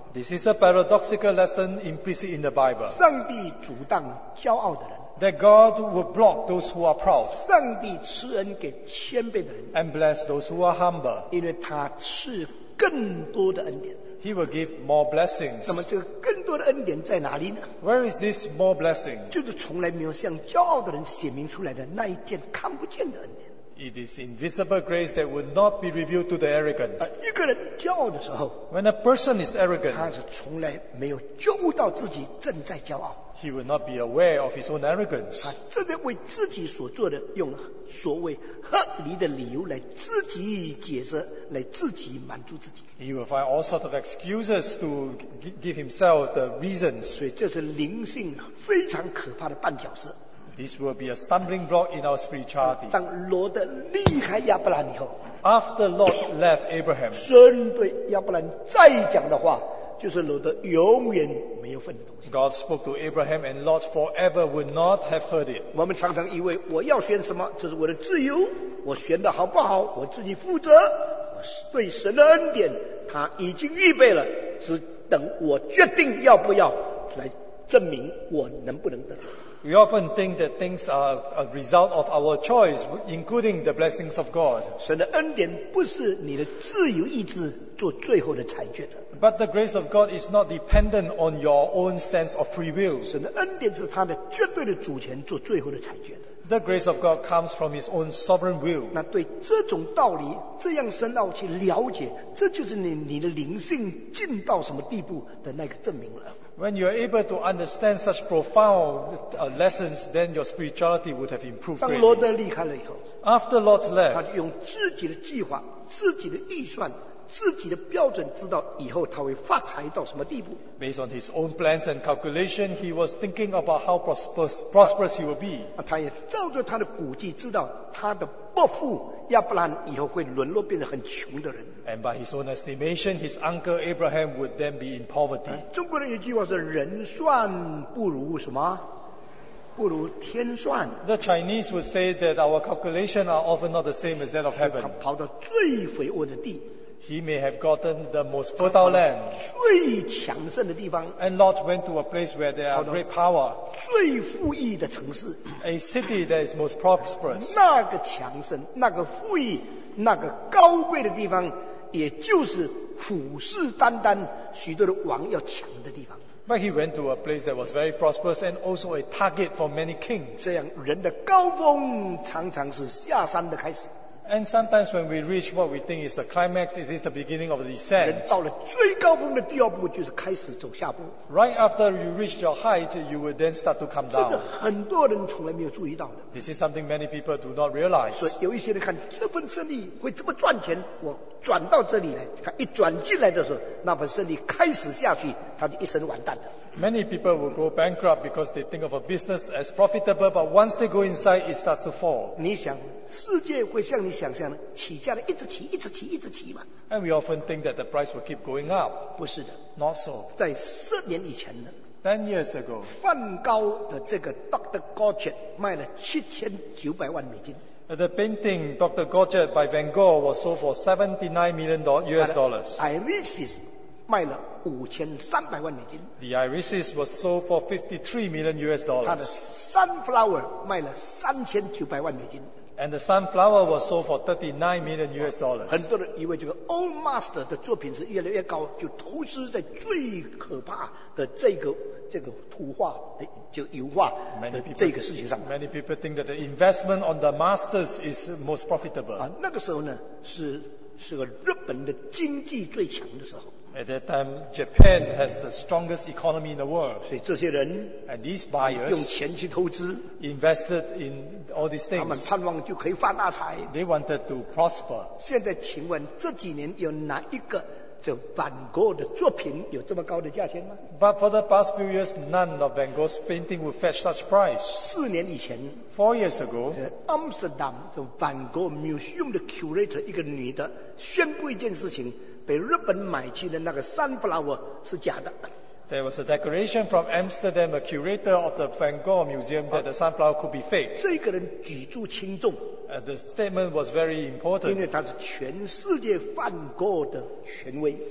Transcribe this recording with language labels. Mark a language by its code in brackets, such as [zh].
[en] This is a paradoxical lesson implicit in the Bible. [zh] 上帝阻挡骄傲的人。 [en] That God will block those who are proud. [zh] 上帝赐恩给谦卑的人。 [en] And bless those who are humble. [zh] 因为他赐更多的恩典。 [en] He will give more blessings. [zh] 那么这个更多的恩典在哪里呢？ [en] Where is this more blessing? [zh] 就是从来没有向骄傲的人显明出来的那一件看不见的恩典。 [en] It is invisible grace that would not be revealed to the arrogant. [zh] 一个人骄傲的时候， [en] When a person is arrogant, [zh] 他是从来没有觉悟到自己正在骄傲。 [en] He will not be aware of his own arrogance. [zh] 他正在为自己所做的用所谓合理的理由来自己解释，来自己满足自己。 [en] He will find all sorts of excuses to give himself the reasons. [zh] 所以这是灵性非常可怕的绊脚石。 [en] This will be a stumbling block in our spirituality. [zh] 当罗德离开亚伯兰以后， [en] After Lot left Abraham, [zh] 神对亚伯兰再讲的话，就是罗德永远没有份的东西。 [en] God spoke to Abraham and Lot forever would not have heard it. [zh] 我们常常以为我要选什么，这是我的自由，我选的好不好，我自己负责。我对神的恩典，他已经预备了，只等我决定要不要来证明我能不能得着。 [en] We often think that things are a result of our choice, including the blessings of God. [zh] 神的恩典不是你的自由意志做最后的裁决的。 [en] But the grace of God is not dependent on your own sense of free will. [zh] 神的恩典是他的绝对的主权做最后的裁决的。 [en] The grace of God comes from His own sovereign will. [zh] 那对这种道理这样深奥去了解，这就是你的灵性进到什么地步的那个证明了。 [en] When you are able to understand such profound lessons, then your spirituality would have improved. [zh] 当罗德离开了以后 [en] ，After Lot left， [zh] 他就用自己的计划、自己的预算、自己的标准，知道以后他会发财到什么地步。 [en] Based on his own plans and calculation, he was thinking about how prosperous he will be. [zh] 他也照着他的估计，知道他的伯父亚伯兰以后会沦落变得很穷的人。 [en] And by his own estimation, his uncle Abraham would then be in poverty. [zh] 中国人有句话是人算不如什么？不如天算。 [en] The Chinese would say that our calculations are often not the same as that of heaven. [zh] 他跑到最肥沃的地。 [en] He may have gotten the most fertile land. [zh] 最强盛的地方。 [en] And Lot went to a place where there are great power. [zh] 最富裕的城市。 [en] A city that is most prosperous. [zh] 那个强盛，那个富裕，那个高贵的地方，也就是虎视眈眈，许多的王要抢的地方。 [en] But he went to a place that was very prosperous and also a target for many kings. [zh] 这样，人的高峰常常是下山的开始。 [en] And sometimes when we reach what we think is the climax, it is the beginning of the descent. [zh] 人到了最高峰的第二步就是开始走下坡。 [en] Right after you reach your height, you will then start to come down. [zh] 这个很多人从来没有注意到的。 [en] This is something many people do not realize. [zh] 所以有一些人看这份生意会这么赚钱，我转到这里来，他一转进来的时候，那份生意开始下去，他就一生完蛋了。 [en] Many people will go bankrupt because they think of a business as profitable, but once they go inside, it starts to fall. [zh] 你想，世界会像你想象的起价的一直起，一直起，一直起吗？ [en] And we often think that the price will keep going up. [zh] 不是的。 [en] Not so. [zh] 在十年以前呢 [en] ？10 years ago. [zh] 梵高的这个 Dr. Gauthier 卖了7900万美金。 [en] The painting Dr. Gauthier by Van Gogh was sold for $79 million. [zh] Irises 卖了5300万美金。 [en] The irises was sold for $53 million. [zh] 他的 sunflower 卖了3900万美金。 [en] And the sunflower was sold for $39 million. [zh] 很多人以为这个 old master 的作品是越来越高，就投资在最可怕的这个图画的就油画的这个事情上。 [en] Many people think that the investment on the masters is most profitable. [zh] 啊，那个时候呢，是个日本的经济最强的时候。 [en] At that time, Japan has the strongest economy in the world. [zh] 所以这些人 [en] and these buyers [zh] 用钱去投资 [en] invested in all these things. [zh] 他们盼望就可以发大财。 [en] They wanted to prosper. [zh] 现在请问这几年有哪一个这Van Gogh的作品有这么高的价钱吗？ [en] But for the past few years, none of Van Gogh's painting would fetch such price. [zh] 四年以前 [en] ，Four years ago, [zh] Amsterdam 的 Van Gogh Museum 的 curator 一个女的宣布一件事情。被日本买去的那个 sunflower 是假的。 [en] There was a declaration from Amsterdam, a curator of the Van Gogh Museum, that the sunflower could be fake. [zh] 这个人举足轻重。 [en] The statement was very important. [zh] 因为他是全世界梵高的权威。